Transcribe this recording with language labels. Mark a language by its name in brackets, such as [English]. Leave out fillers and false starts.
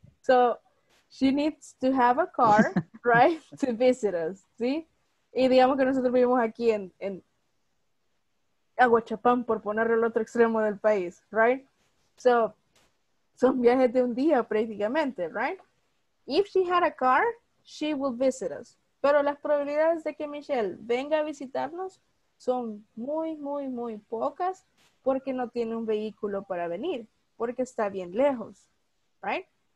[English] So, she needs to have a car, right? To visit us, [Spanish] ¿sí? Y digamos que nosotros vivimos aquí en Aguachapán, por ponerlo al otro extremo del país, right? So, son viajes de un día prácticamente, right? [English] If she had a car, she would visit us. [Spanish] Pero las probabilidades de que Michelle venga a visitarnos son muy, muy, muy pocas porque no tiene un vehículo para venir, porque está bien lejos, right?